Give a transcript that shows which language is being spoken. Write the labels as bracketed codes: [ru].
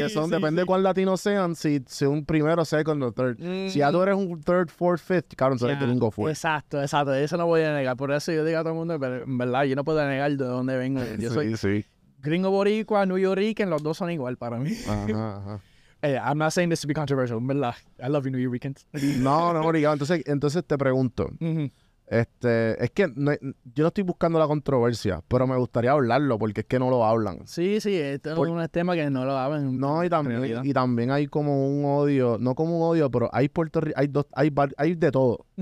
[es] que son, depende De cuán latinos sean, si un primero, [en] second [es] o [en] third. [es] Mm. Si ya tú eres un [en] third, fourth, fifth, [es] claro, entonces eres gringo fuerte. Exacto. Eso no voy a negar. Por eso yo digo a todo el mundo, pero en verdad, yo no puedo negar de dónde vengo. Yo sí, soy gringo boricua, newyorican, los dos son igual para mí. Ajá, ajá. [en] Hey, I'm not saying this to be controversial, [es] verdad. [en] I love you, New Yorkans. [es] No, boricua. Entonces te pregunto. Mm-hmm. Es que no, yo no estoy buscando la controversia, pero me gustaría hablarlo porque es que no lo hablan. Sí, esto es un tema que no lo hablan. No, y también hay como un odio, no como un odio, pero hay de todo. Mm.